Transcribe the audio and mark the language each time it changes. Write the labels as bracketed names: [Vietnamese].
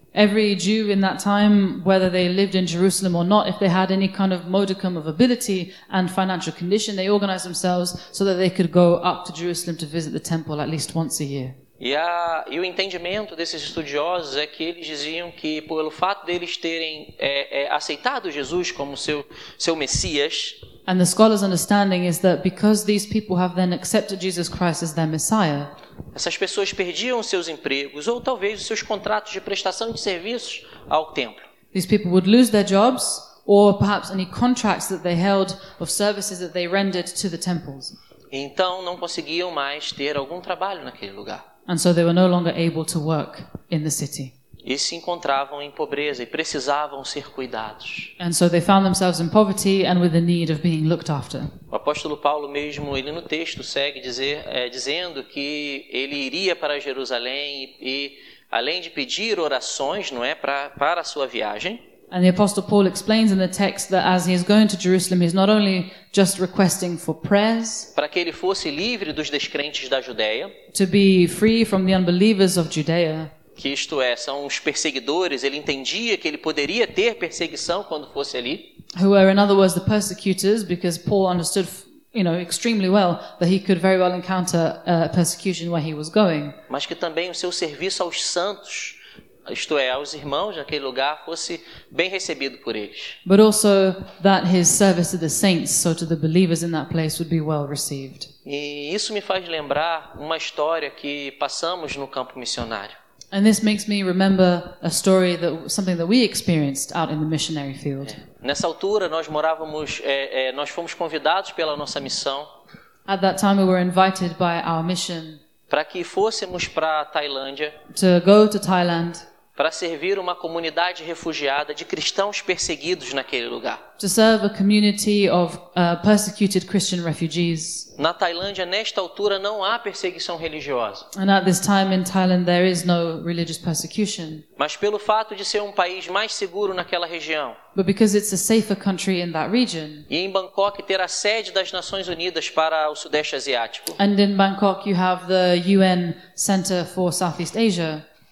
[English] Every Jew in that time, whether they lived in Jerusalem or not, if they had any kind of modicum of ability and financial condition, they organized themselves so that they could go up to Jerusalem to visit the temple at least once a year. [Portuguese] E o entendimento desses estudiosos é que eles diziam que pelo fato deles terem aceitado Jesus como seu Messias. [English] And the scholar's understanding is that because these people have then accepted Jesus Christ as their Messiah. [Portuguese] Essas pessoas perdiam seus empregos ou talvez os seus contratos de prestação de serviços ao templo. [English] These people would lose their jobs or perhaps any contracts that they held of services that they rendered to the temples. [Portuguese] Então não conseguiam mais ter algum trabalho naquele lugar. [English] And so they were no longer able to work in the city. [Portuguese] E se encontravam em pobreza e precisavam ser cuidados. [English] And so they found themselves in poverty and with the need of being looked after. [Portuguese] O apóstolo Paulo mesmo, ele no texto segue dizendo que ele iria para Jerusalém e além de pedir orações, não é, para a sua viagem. [English] And the apostle Paul explains in the text that as he is going to Jerusalem, he's not only just requesting for prayers, [Portuguese] para que ele fosse livre dos descrentes da Judeia, [English] to be free from the unbelievers of Judea, [Portuguese] que isto é, são os perseguidores, ele entendia que ele poderia ter perseguição quando fosse ali. [English] Who were in other words the persecutors, because Paul understood, you know, extremely well that he could very well encounter persecution where he was going. [Portuguese] Mas que também o seu serviço aos santos, isto é, aos irmãos naquele lugar, fosse bem recebido por eles. [English] But also that his service to the saints, so to the believers in that place, would be well received. [Portuguese] E isso me faz lembrar uma história que passamos no campo missionário. [English] And this makes me remember a story that something that we experienced out in the missionary field. [Portuguese] Nessa altura nós morávamos nós fomos convidados pela nossa missão. [English] At that time we were invited by our mission. [Portuguese] Para que fôssemos para a Tailândia. [English] To go to Thailand. [Portuguese] Para servir uma comunidade refugiada de cristãos perseguidos naquele lugar. [English] To serve a community of persecuted Christian refugees. [Portuguese] Na Tailândia, nesta altura, não há perseguição religiosa. [English] And at this time in Thailand, there is no religious persecution. [Portuguese] Mas pelo fato de ser um país mais seguro naquela região. [English] But because it's a safer country in that region. [Portuguese] E em Bangkok ter a sede das Nações Unidas para o Sudeste Asiático. [English] And in Bangkok you have the UN Center for Southeast Asia.